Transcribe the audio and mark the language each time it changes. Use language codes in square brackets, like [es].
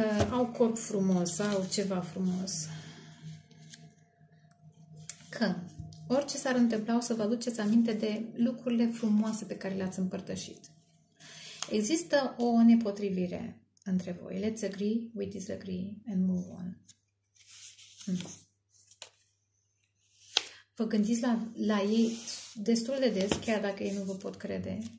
[ro] Au corp frumos, au ceva frumos. Că Orice s-ar întâmpla, o să vă aduceți aminte de lucrurile frumoase pe care le-ați împărtășit. Există o nepotrivire între voi. [en] Let's agree, we disagree and move on. [ro] Vă gândiți la ei destul de des, chiar dacă ei nu vă pot crede.